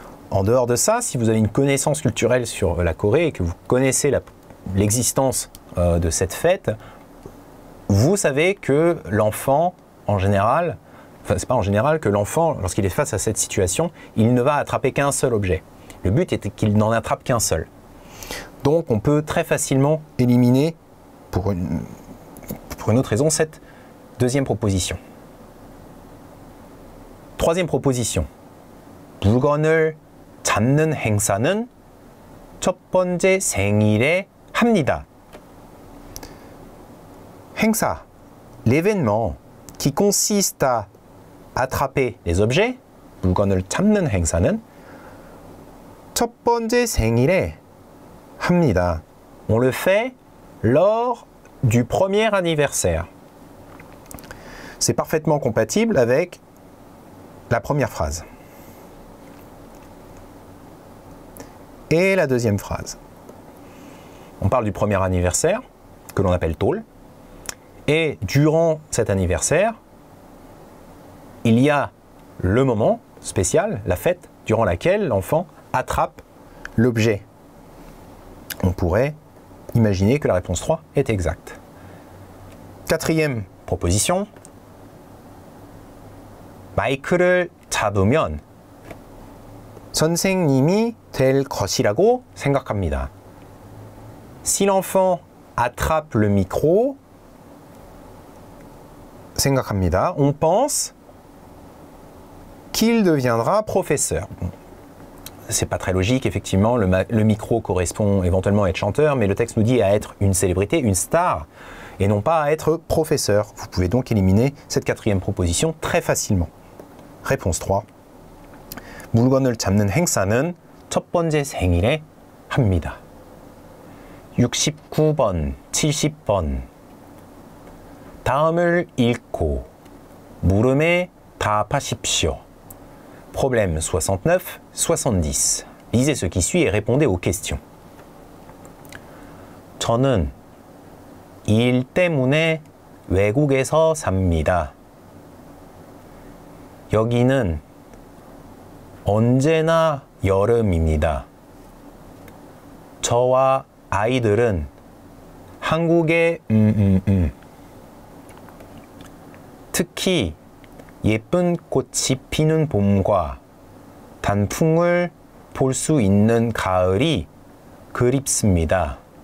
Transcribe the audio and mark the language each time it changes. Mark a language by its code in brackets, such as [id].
[fr] En dehors de ça, si vous avez une connaissance culturelle sur la Corée et que vous connaissez l'existence de cette fête, vous savez que l'enfant, en général, enfin c'est pas en général, que l'enfant, lorsqu'il est face à cette situation, il ne va attraper qu'un seul objet. Le but est qu'il n'en attrape qu'un seul. Donc on peut très facilement éliminer, pour une autre raison, cette deuxième proposition. Troisième proposition. [ko] 물건을 잡는 행사는 첫 번째 생일에 합니다. [fr] 행사, l'événement qui consiste à attraper les objets, [ko] 물건을 잡는 행사는 첫 번째 생일에 합니다. [fr] On le fait lors du premier anniversaire. C'est parfaitement compatible avec la première phrase. Et la deuxième phrase. On parle du premier anniversaire, que l'on appelle tôle. Et durant cet anniversaire, il y a le moment spécial, la fête, durant laquelle l'enfant attrape l'objet. On pourrait imaginer que la réponse 3 est exacte. Quatrième proposition. [ko] 마이크를 잡으면 선생님이 될 것이라고 생각합니다. [fr] Si l'enfant attrape le micro, [ko] 생각합니다. [fr] On pense qu'il deviendra professeur. C'est pas très logique, effectivement, le micro correspond éventuellement à être chanteur, mais le texte nous dit à être une célébrité, une star, et non pas à être professeur. Vous pouvez donc éliminer cette quatrième proposition très facilement. Réponse 3. [ko] 물건을 잡는 행사는 첫 번째 생일에 합니다. 69번, 70번, 다음을 읽고 물음에 답하십시오. [fr] Problème 69-70. Lisez ce qui suit et répondez aux questions. [ko] 저는 일 때문에 외국에서 삽니다. 여기는 언제나 여름입니다. 저와 아이들은 한국에 특히 예쁜 꽃이 피는 봄과 단풍을 볼 수 있는 가을이 그립습니다.